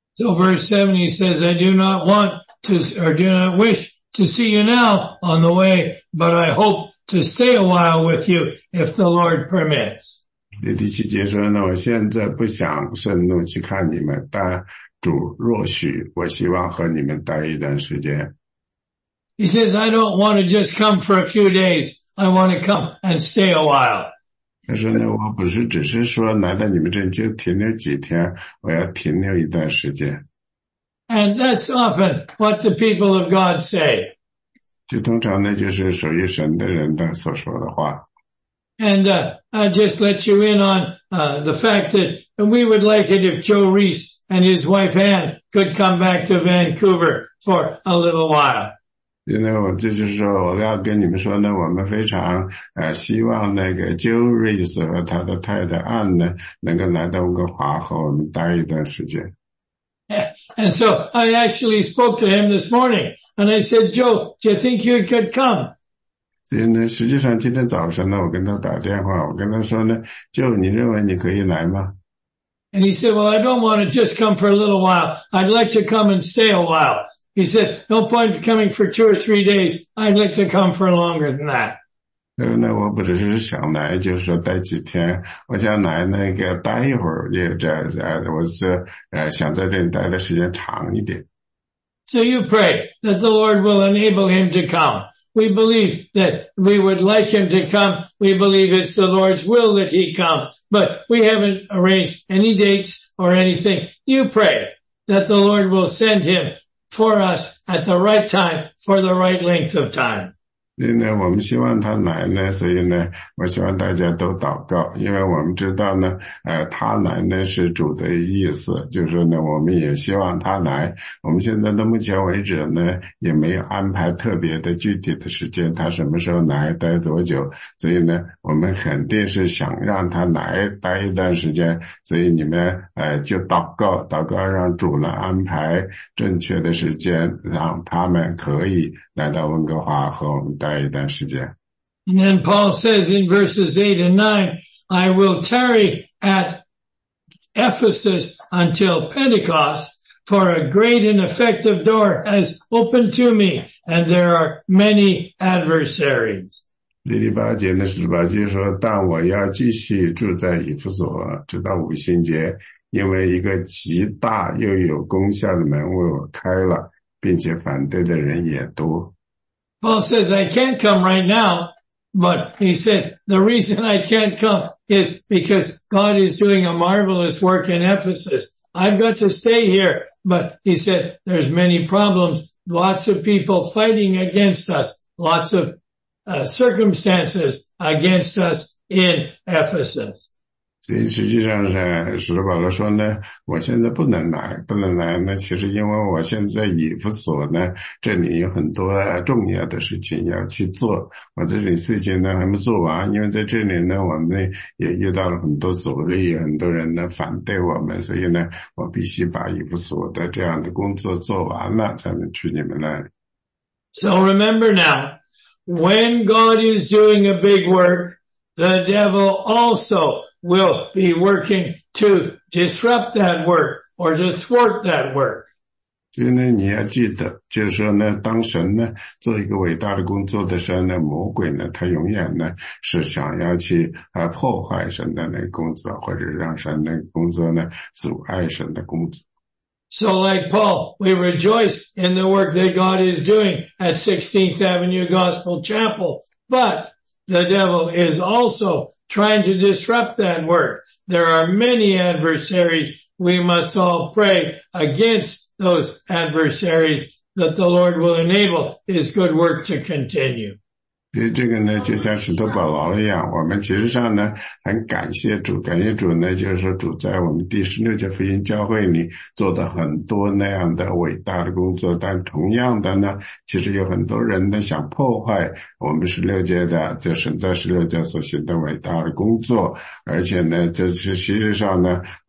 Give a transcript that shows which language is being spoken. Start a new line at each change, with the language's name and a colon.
English: So verse 7, he says, I do not want to or do not wish. To see you now on the way, but I hope to stay a while with you if the Lord permits.
Chinese: 第七节说呢，我现在不想顺路去看你们，但主若许，我希望和你们待一段时间。
English: He says, I don't want to just come for a few days. I want to come and stay a while.
Chinese: 他说呢，我不是只是说来到你们这就停留几天，我要停留一段时间。
English: And that's often what the people of God say.
Chinese: 就通常呢，就是属于神的人的所说的话。
English: And I just let you in on the fact that we would like it if Joe Reese and his wife Anne could come back to Vancouver for a little while.
Chinese: 因为我这就是说，我要跟你们说呢，我们非常希望那个 Joe Reese 和他的太太 Anne 呢，能够来到温哥华和我们待一段时间。
English: And so I actually spoke to him this morning, and I said, Joe, do you think you could come?
Chinese: 实际上今天早上呢，我跟他打电话，我跟他说呢 ,Joe, 你认为你可以来吗？
English: And he said, well, I don't want to just come for a little while. I'd like to come and stay a while. He said, no point coming for two or three days. I'd like to come for longer than that.
Chinese: 那我不只是想来，就是说待几天，我想来那个待一会儿，也这样，我是想在这里待的时间长一点。
English: So you pray that the Lord will enable him to come. We believe that we would like him to come. We believe it's the Lord's will that he come. But we haven't arranged any dates or anything. You pray that the Lord will send him for us at the right time for the right length of time.
Chinese: 所以呢，我们希望他来呢，所以呢，我希望大家都祷告，因为我们知道呢，他来呢是主的意思，就是呢，我们也希望他来。我们现在到目前为止呢，也没有安排特别的具体的时间，他什么时候来，待多久。所以呢，我们肯定是想让他来待一段时间，所以你们就祷告，祷告让主呢安排正确的时间，让他们可以来到温哥华和我们。待一段时间。
English: And then Paul says in verses 8 and 9, I will tarry at Ephesus until Pentecost, for a great and effective door has opened to me, and there are many adversaries.
Chinese: 第八节呢，十八节说，但我要继续住在以弗所，直到五旬节，因为一个极大又有功效的门为我开了，并且反对的人也多。
English: Paul says, I can't come right now, but he says, the reason I can't come is because God is doing a marvelous work in Ephesus. I've got to stay here, but he said, there's many problems, lots of people fighting against us, lots of circumstances against us in Ephesus.
Chinese: 所以实际上是使徒保罗说呢，我现在不能来，不能来。那其实因为我现在以弗所呢，这里有很多重要的事情要去做。我这里事情呢还没做完，因为在这里呢，我们也遇到了很多阻力，很多人呢反对我们，所以呢，我必须把以弗所的这样的工作做完了，才能去你们那里。
English: So remember now, when God is doing a big work, the devil also. Will be working to disrupt that work or to thwart that work.
Chinese: 所以呢，你要记得，就是说呢，当神呢做一个伟大的工作的时候呢，魔鬼呢，他永远呢是想要去破坏神的那个工作，或者让神的工作呢阻碍神的工作。
English: So like Paul, we rejoice in the work that God is doing at 16th Avenue Gospel Chapel, but the devil is also trying to disrupt that work. There are many adversaries. We must all pray against those adversaries that the Lord will enable his good work to continue.
Chinese: 这个呢就像使徒保罗一样，我们其实上呢很感谢主，感谢主呢就是说主在我们第十六届福音教会里做的很多那样的伟大的工作，但同样的呢其实有很多人呢想破坏我们十六届的就神在十六届所行的伟大的工作，而且呢这是实际上呢